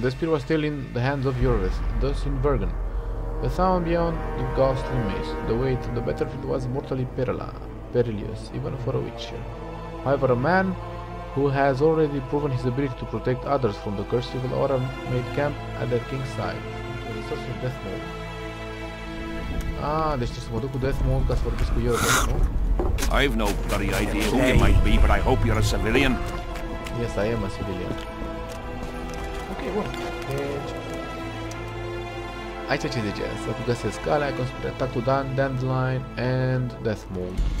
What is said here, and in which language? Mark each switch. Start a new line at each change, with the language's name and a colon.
English: The spear was still in the hands of Jorvis, thus in Bergen. The sound beyond the ghastly mist, the way to the battlefield was mortally perilous, even for a witcher. However, a man who has already proven his ability to protect others from the cursed evil aura made camp at the king's side. The source of death mode.
Romanian: Ah, deci trebuie să mă duc cu death mode ca să vorbesc cu Jorvis, nu?
English: I've no bloody idea who you might be, but I hope you're a civilian. Yes, I am a civilian. Okay,
Romanian: bun. Deci... Aici ce zice? Să găsesc calea, conspire atacul Dan, Dandelion and Death Moon.